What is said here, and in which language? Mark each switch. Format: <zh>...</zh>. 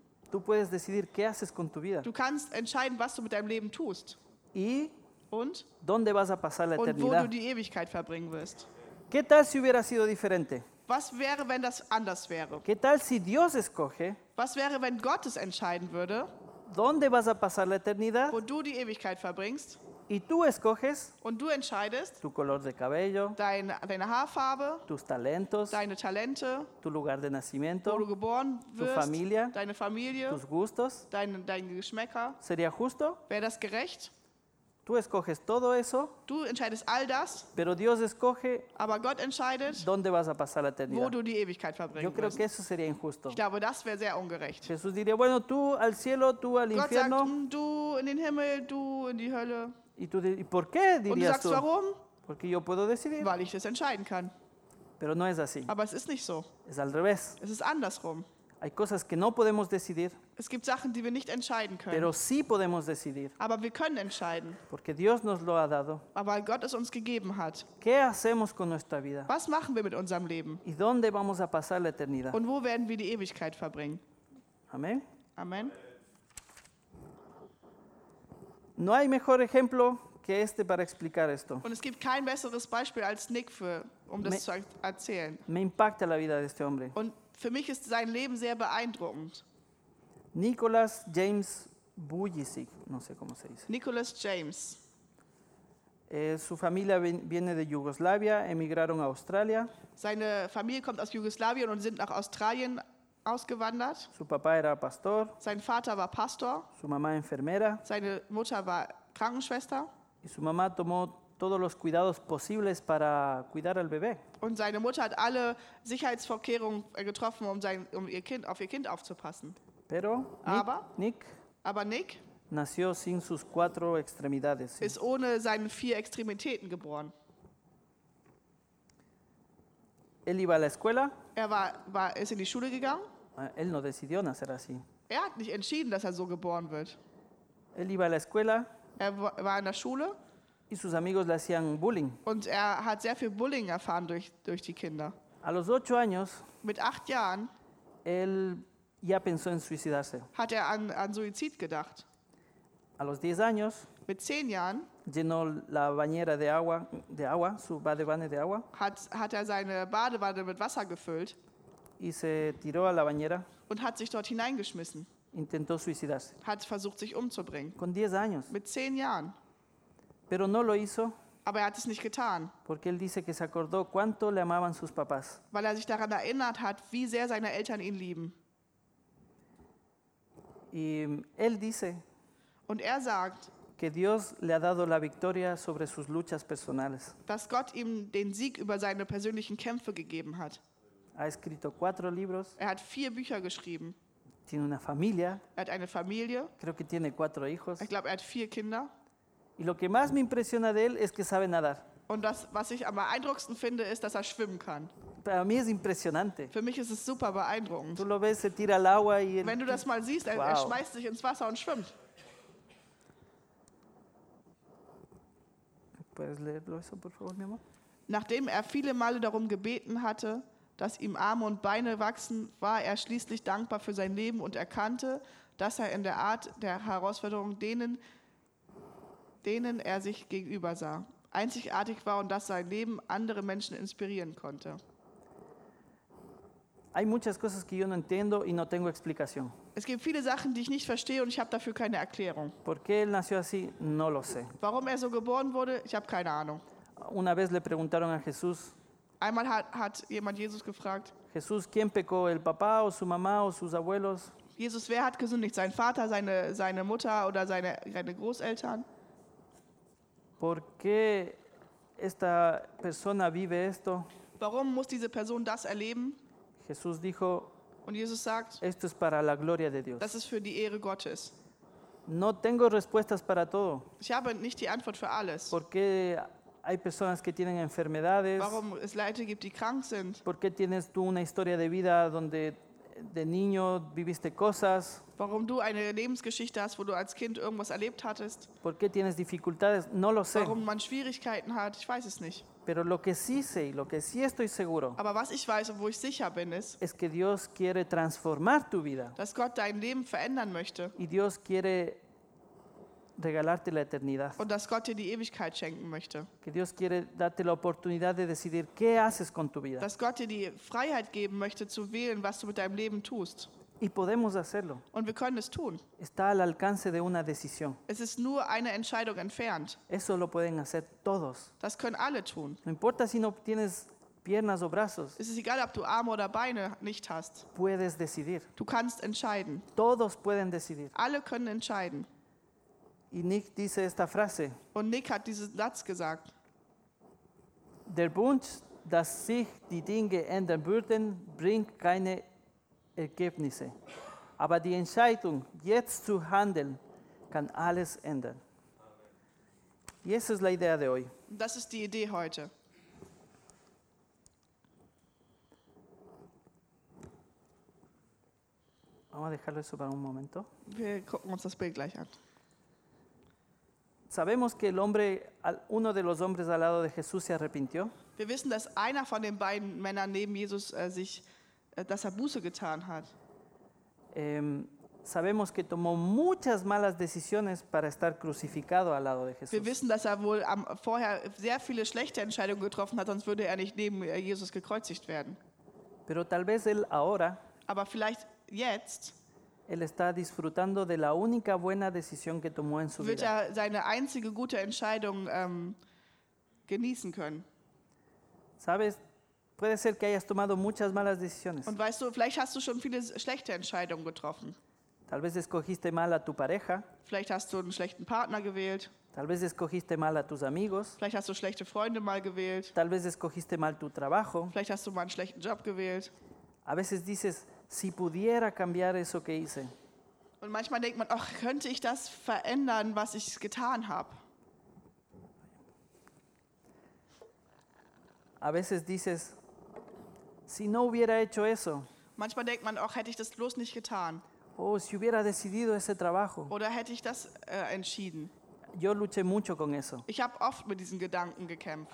<es>Tú puedes decidir qué haces con tu vida.</es> <de>Du kannst entscheiden, was du mit deinem Leben tust.</de> <es>Y</es> <de>und</de> <es>dónde vas a pasar la</es> <de>und</de> <es>eternidad.</es> <de>Wo du die Ewigkeit verbringen wirst.</de> <es>¿Qué tal si hubiera sido diferente?</es> <de>Was wäre, wenn das anders wäre?</de> <es>¿Qué tal si Dios escoge?</es> <de>Was wäre, wenn Gott es entscheiden würde?</de> <es>¿Dónde vas a pasar la eternidad?</es> <de>Wo du die Ewigkeit verbringst.</de> <es>Y tú escoges</es> <de>und du entscheidest</de> <es>tu color de cabello,</es> <de>deine Haarfarbe,</de> <es>tus talentos,</es> <de>deine Talente,</de> <es>tu lugar de nacimiento,</es> <de>wo du geboren wirst,</de> <es>tu familia,</es> <de>deine Familie,</de> <es>tus gustos,</es> <de>dein Geschmäcker.</de> <es>¿Sería justo?</es> <de>Wäre das gerecht?</de> <es>Tú escoges todo eso,</es> <de>du entscheidest all das,</de> <es>pero Dios escoge,</es> <de>aber Gott entscheidet,</de> <es>dónde vas a pasar la eternidad.</es> <de>Wo du die Ewigkeit verbringen</de> <es>Yo creo</es> <de>wirst.</de> <es>Que eso sería injusto.</es> <de>Ich glaube, das wäre sehr ungerecht.</de> <es>Jesús diría, bueno, tú al cielo, tú al</es> <de>Gott</de> <es>infierno.</es> <de>Sagt, du in den Himmel, du in die Hölle.</de> <es>Y tú, ¿y por qué, dirías</es> <de>und du sagst,</de> <es>tú?</es> <de>Warum?</de> <es>Porque yo puedo decidir.</es> <de>Weil ich es entscheiden kann.</de> <es>Pero no es así.</es> <de>Aber es ist nicht so.</de> <es>Es al revés.</es> <de>Es ist andersrum.</de> <es>Hay cosas que no podemos decidir.</es> <de>Es gibt Sachen, die wir nicht entscheiden können.</de> <es>Pero sí podemos decidir.</es> <de>Aber wir können entscheiden.</de> <es>Porque Dios nos lo ha dado.</es> <de>Aber weil Gott es uns gegeben hat.</de> <es>¿Qué hacemos con nuestra vida?</es> <de>Was machen wir mit unserem Leben?</de> <es>¿Y dónde vamos a pasar la eternidad?</es> <de>Und wo werden wir die Ewigkeit verbringen?</de> <es>Amen.</es> <de>Amen.</de> <es>No hay mejor ejemplo que este para explicar esto.</es> <de>Und es gibt kein besseres Beispiel als Nick das zu erzählen.</de> <es>Me impacta la vida de este hombre.</es> <de>Und für mich ist sein Leben sehr beeindruckend.</de> <es>Nicholas James Bujicic, no sé cómo se dice.</es> <de>Nicholas James.</de> <es>Su familia viene de Yugoslavia, emigraron a Australia.</es> <de>Seine Familie kommt aus Jugoslawien und sind nach Australien ausgewandert.</de> <es>Su papá era pastor.</es> <de>Sein Vater war Pastor.</de> <es>Su mamá enfermera.</es> <de>Seine Mutter war Krankenschwester.</de> <es>Y su mamá tomó todos los cuidados posibles para cuidar al bebé.</es> <de>Und seine Mutter hat alle Sicherheitsvorkehrungen getroffen, um ihr Kind aufzupassen.</de> <es>Pero Nick nació sin sus cuatro extremidades.</es> <de>Ist ohne seine vier Extremitäten geboren.</de> <es>Él iba a la escuela.</es> <de>Er ist in die Schule gegangen.</de> <es>Él no decidió nacer así.</es> <de>Er hat nicht entschieden, dass er so geboren wird.</de> <es>Él iba a la escuela.</es> <de>Er war in der Schule.</de> <es>Y sus amigos le hacían bullying.</es> <de>Und er hat sehr viel Bullying erfahren durch die Kinder.</de> <es>A los 8 años.</es> <de>Mit 8 Jahren.</de> <es>Él ya pensó en suicidarse.</es> <de>Hat er an Suizid gedacht.</de> <es>A los 10 años.</es> <de>Mit 10 Jahren.</de> <es>Llenó la bañera de agua, su</es> <de>badewanne</de> <es>de agua.</es> <de>Hat er seine Badewanne mit Wasser gefüllt.</de> <es>Y se tiró a la bañera.</es> <de>Und hat sich dort hineingeschmissen.</de> <es>Intentó suicidarse.</es> <de>Hat versucht, sich umzubringen.</de> <es>Con 10 años.</es> <de>Mit 10 Jahren.</de> <es>Pero no lo hizo.</es> <de>Aber er hat es nicht getan.</de> <es>Porque él dice que se acordó cuánto le amaban sus papás.</es> <de>Weil er sich daran erinnert hat, wie sehr seine Eltern ihn lieben.</de> <es>Y él dice.</es> <de>Und er sagt.</de> <es>Que Dios le ha dado la victoria sobre sus luchas personales.</es> <de>Dass Gott ihm den Sieg über seine persönlichen Kämpfe gegeben hat.</de> <es>Ha escrito 4 libros.</es> <de>Er hat 4 Bücher geschrieben.</de> <es>Tiene una familia.</es> <de>Er hat eine Familie.</de> <es>Creo que tiene 4 hijos.</es> <de>Ich glaube, er hat 4 Kinder.</de> <es>Y lo que más me impresiona de él es que sabe nadar.</es> <de>Und das, was ich am beeindruckendsten finde, ist, dass er schwimmen kann.</de> <es>Para mí es impresionante.</es> <de>Für mich ist es super beeindruckend.</de> <es>Tú lo ves, se tira al agua y</es> <de>wenn du das mal siehst, wow. Er schmeißt sich ins Wasser und schwimmt.</de> <es>¿Puedes leerlo eso, por favor, mi amor?</es> <de>Nachdem er viele Male darum gebeten hatte, dass ihm Arme und Beine wachsen, war er schließlich dankbar für sein Leben und erkannte, dass er in der Art der Herausforderung denen er sich gegenüber sah, einzigartig war und dass sein Leben andere Menschen inspirieren konnte.</de> <es>Hay muchas cosas que yo no entiendo y no tengo explicación.</es> <de>Es gibt viele Sachen, die ich nicht verstehe und ich habe dafür keine Erklärung.</de> <es>¿Por qué él nació así? No lo sé.</es> <de>Warum er so geboren wurde, ich habe keine Ahnung.</de> <es>Una vez le preguntaron a Jesús.</es> <de>Einmal hat jemand Jesus gefragt.</de> <es>Jesús, ¿quién pecó, el papá o su mamá o sus abuelos?</es> <de>Jesus, wer hat gesündigt, sein Vater, seine Mutter oder seine Großeltern?</de> <es>¿Por qué esta persona vive esto?</es> <de>Warum muss diese Person das erleben?</de> <es>Jesús dijo,</es> <de>und Jesus sagt,</de> <es>esto es para la gloria de Dios.</es> <de>Das ist für die Ehre Gottes.</de> <es>No tengo respuestas para todo.</es> <de>Ich habe nicht die Antwort für alles.</de> <es>¿Por qué hay personas que tienen enfermedades?</es> <de>Warum es Leute gibt, die krank sind?</de> <es>¿Por qué tienes tú una historia de vida donde de niño viviste cosas?</es> <de>Warum du eine Lebensgeschichte hast, wo du als Kind irgendwas erlebt hattest?</de> <es>¿Por qué tienes dificultades? No lo sé.</es> <de>Warum man Schwierigkeiten hat? Ich weiß es nicht.</de> <es>Pero lo que sí sé, lo que sí estoy seguro.</es> <de>Aber was ich weiß und wo ich sicher bin, ist.</de> <es>Es que Dios quiere transformar tu vida.</es> <de>Dass Gott dein Leben verändern möchte.</de> <es>Y Dios quiere regalarte la eternidad.</es> <de>Und dass Gott dir die Ewigkeit schenken möchte.</de> <es>Que Dios quiere darte la oportunidad de decidir qué haces con tu vida.</es> <de>Dass Gott dir die Freiheit geben möchte zu wählen, was du mit deinem Leben tust.</de> <es>Y podemos hacerlo.</es> <de>Und wir können es tun.</de> <es>Está al alcance de una decisión.</es> <de>Es ist nur eine Entscheidung entfernt.</de> <es>Eso lo pueden hacer todos.</es> <de>Das können alle tun.</de> <es>No importa si no tienes piernas o brazos.</es> <de>Es ist egal, ob du Arme oder Beine nicht hast.</de> <es>Puedes decidir.</es> <de>Du kannst entscheiden.</de> <es>Todos pueden decidir.</es> <de>Alle können entscheiden.</de> <es>Y Nick dice esta frase.</es> <de>Und Nick hat diesen Satz gesagt. Der Wunsch, dass sich die Dinge ändern würden, bringt keine Ergebnisse. Aber die Entscheidung, jetzt zu handeln, kann alles ändern.</de> <es>Y esa es la idea de hoy.</es> <de>Das ist die Idee heute.</de> <es>Vamos a dejarlo eso para un momento.</es> <de>Wir gucken uns das Bild gleich an.</de> <es>Sabemos que el hombre, uno de los hombres al lado de Jesús se arrepintió.</es> <de>Wir wissen, dass einer von den beiden Männern neben Jesus dass er Buße getan hat.</de> <es>Sabemos que tomó muchas malas decisiones para estar crucificado al lado de Jesús.</es> <de>Wir wissen, dass er wohl vorher sehr viele schlechte Entscheidungen getroffen hat, sonst würde er nicht neben Jesus gekreuzigt werden.</de> <es>Pero tal vez él ahora.</es> <de>Aber vielleicht jetzt.</de> <es>Él está disfrutando de la única buena decisión que tomó en su</es> <de>wird</de> <es>vida.</es> <de>Wird er seine einzige gute Entscheidung genießen können?</de> <es>Sabes, Puede ser que hayas tomado muchas malas decisiones.</es> <de>Und weißt du, vielleicht hast du schon viele schlechte Entscheidungen getroffen.</de> <es>Tal vez escogiste mal a tu pareja.</es> <de>Vielleicht hast du einen schlechten Partner gewählt.</de> <es>Tal vez escogiste mal a tus amigos.</es> <de>Vielleicht hast du schlechte Freunde mal gewählt.</de> <es>Tal vez escogiste mal tu trabajo.</es> <de>Vielleicht hast du mal einen schlechten Job gewählt.</de> <es>A veces dices, si pudiera cambiar eso que hice.</es> <de>Und manchmal denkt man, ach, könnte ich das verändern, was ich getan habe?</de> <es>A veces dices, si no hubiera hecho eso.</es> <de>Manchmal denkt man, ach, hätte ich das bloß nicht getan.</de> <es>Oh, si hubiera decidido ese trabajo.</es> <de>Oder hätte ich das entschieden.</de> <es>Yo luché mucho con eso.</es> <de>Ich habe oft mit diesen Gedanken gekämpft.</de>